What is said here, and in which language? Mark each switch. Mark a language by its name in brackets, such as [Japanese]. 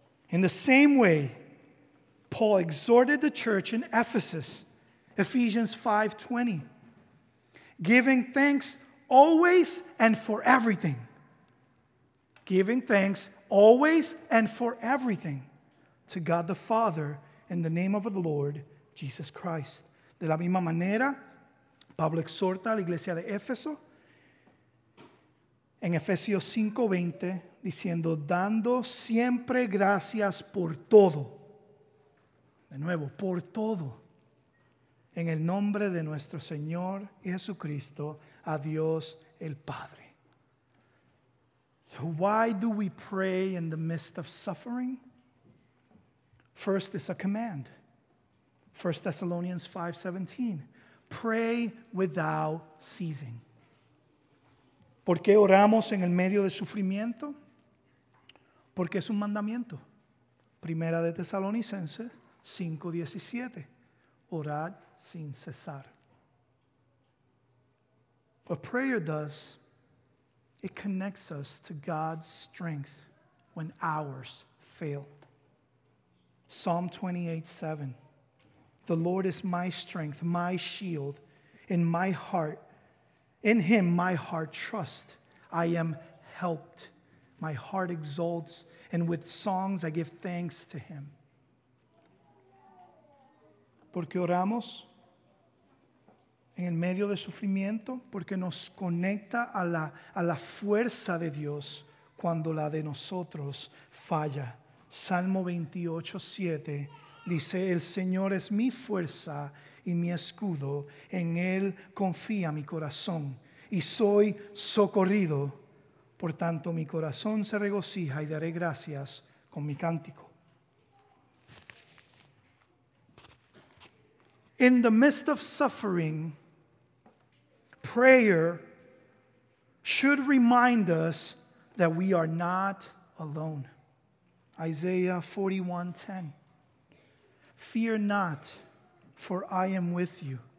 [English] In the same way, Paul exhorted the church in Ephesus, Ephesians 5:20, giving thanks always and for everything. Giving thanks always and for everything to God the Father in the name of the Lord Jesus Christ. [Spanish] De la misma manera, Pablo exhorta a la iglesia de Éfeso en Efesios 5:20, diciendo, dando siempre gracias por todo. De nuevo, por todo. En el nombre de nuestro Señor Jesucristo, a Dios el Padre. [English] So why do we pray in the midst of suffering? First, it's a command. 1 Thessalonians 5:17. Pray without ceasing. [Spanish] ¿Por qué oramos en el medio del sufrimiento? Porque es un mandamiento. Primera de Tesalonicenses 5:17. Orad sin cesar. [English] What prayer does, it connects us to God's strength when ours fail. Psalm 28:7. The Lord is my strength, my shield, in my heart. In him my heart trusts. I am helped. My heart exalts, and with songs I give thanks to him. [Spanish] ¿Por qué oramos? En el medio del sufrimiento, porque nos conecta a la fuerza de Dios cuando la de nosotros falla. Salmo 28:7 dice, el Señor es mi fuerza y mi escudo, en él confía mi corazón y soy socorrido. Por tanto, mi corazón se regocija y daré gracias con mi cántico. [English] In the midst of suffering, prayer should remind us that we are not alone. Isaiah 41:10. Fear not, for I am with you.